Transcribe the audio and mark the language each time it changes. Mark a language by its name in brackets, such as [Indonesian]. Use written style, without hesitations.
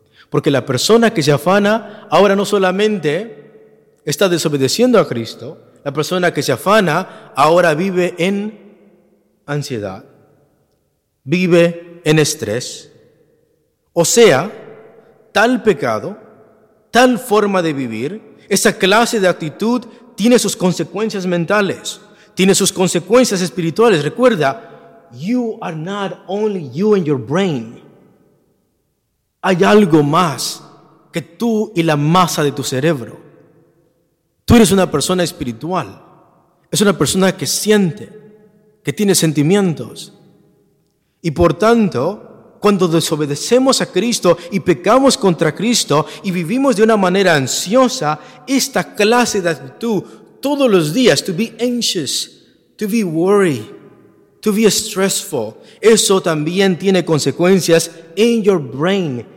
[Spanish] Porque la persona que se afana ahora no solamente está desobedeciendo a Cristo, la persona que se afana ahora vive en ansiedad, vive en estrés. O sea, tal pecado, tal forma de vivir, esa clase de actitud tiene sus consecuencias mentales, tiene sus consecuencias espirituales. [English] Recuerda, you are not only you and your brain. [Spanish] Hay algo más que tú y la masa de tu cerebro. Tú eres una persona espiritual. Es una persona que siente, que tiene sentimientos. Y por tanto, cuando desobedecemos a Cristo y pecamos contra Cristo y vivimos de una manera ansiosa, esta clase de actitud todos los días, [English] to be anxious, to be worried, to be stressful, [Spanish] eso también tiene consecuencias [English] in your brain.